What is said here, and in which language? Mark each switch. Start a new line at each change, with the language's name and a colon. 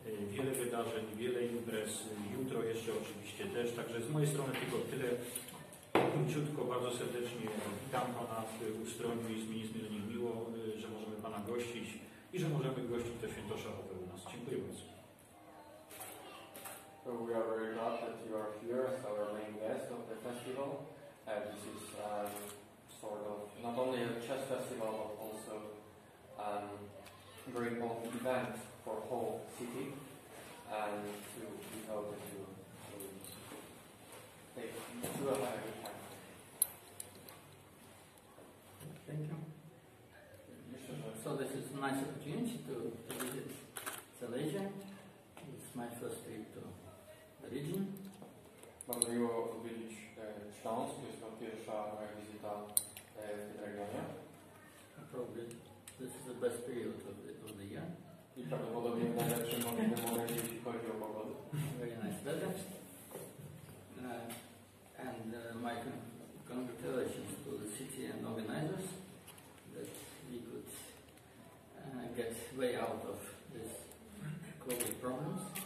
Polish: Wiele wydarzeń, wiele imprez. Jutro jeszcze oczywiście też. Także z mojej strony tylko tyle. Króciutko, bardzo serdecznie witam pana w Ustroniu i jest mi niezmiernie miło, że możemy pana gościć i że możemy gościć to święto szachowe u nas. Dziękuję bardzo.
English: So we are very glad that you are here as our main guest of the festival. This is sort of not only a chess festival but also a very important event for the whole city, and to we hope that you will take to a very good time. Thank you. So this is a nice opportunity to visit Silesia. It's my first trip to the region.
Polish: Bardzo miło odwiedzić Śląsk, to jest ta pierwsza moja wizyta w tym regionie.
English: Probably this is the best period of the year.
Polish: I prawdopodobnie w najlepszym momencie, jeśli chodzi o pogodę.
English: Very nice weather. And my congratulations to the city and organizers that we could get way out of this COVID problems.